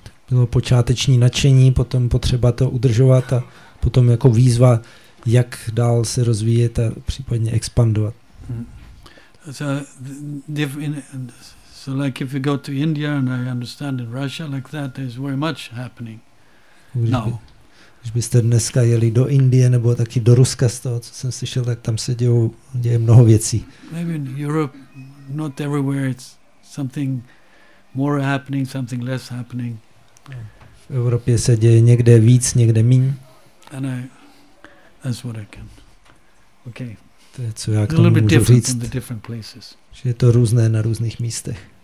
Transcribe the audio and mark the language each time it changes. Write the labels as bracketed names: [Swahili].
[Czech] Bylo počáteční nadšení, potom potřeba to udržovat a potom jako výzva, jak dál se rozvíjet a případně expandovat. [English] So like if you go to India and I understand in Russia like that, there's very much happening. [Czech] Když byste dneska jeli do Indie nebo taky do Ruska, z toho, co jsem slyšel, tak tam se děje mnoho věcí. [English] Maybe in Europe, not everywhere, it's something more happening, something less happening. [Czech] V Evropě se děje někde víc, někde míň. [English] And I, that's what I can. Okay. [Czech] To je, co já k tomu můžu říct. [English] The different places. [Czech] Že je to různé na různých místech.